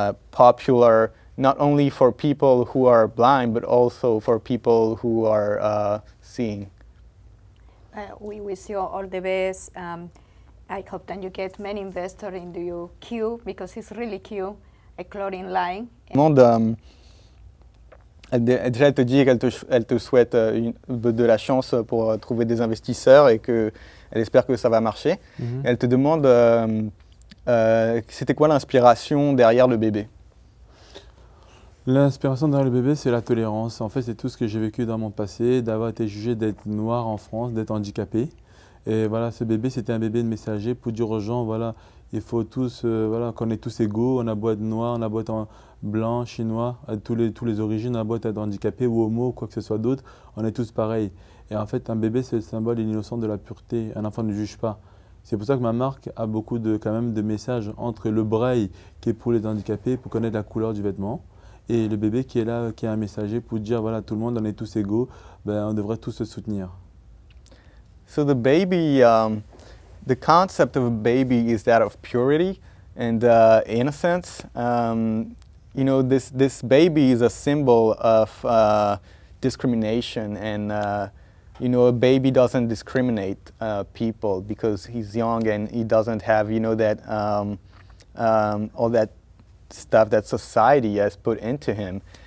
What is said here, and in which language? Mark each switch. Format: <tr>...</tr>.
<en>Popular not only for people who are blind, but also for people who are seeing. We wish you all the best. I hope that you get many investors into your queue, because it's really queue, a clothing line.</en> <fr>Tout le monde, déjà elle te dit qu'elle te souhaite de la chance pour trouver des investisseurs et qu'elle espère que ça va marcher. Mm-hmm. Elle te demande. C'était quoi l'inspiration derrière le bébé? L'inspiration derrière le bébé, c'est la tolérance. En fait, c'est tout ce que j'ai vécu dans mon passé, d'avoir été jugé d'être noir en France, d'être handicapé. Et voilà, ce bébé, c'était un bébé de messager pour dire aux gens, voilà, il faut tous, voilà, qu'on est tous égaux, on a beau être noir, on a beau être blanc, chinois, tous les origines, on a beau être handicapé ou homo, quoi que ce soit d'autre, on est tous pareils. Et en fait, un bébé, c'est le symbole de l'innocence, de la pureté. Un enfant ne juge pas. C'est pour ça que ma marque a beaucoup de messages entre le braille qui est pour les handicapés, pour connaître la couleur du vêtement, et le bébé qui est là, qui est un messager pour dire, voilà, tout le monde, on est tous égaux, ben, on devrait tous se soutenir.</fr> <en>So the baby, the concept of a baby is that of purity and innocence. You know, this baby is a symbol of discrimination and you know, a baby doesn't discriminate people because he's young and he doesn't have, you know, that all that stuff that society has put into him.</en>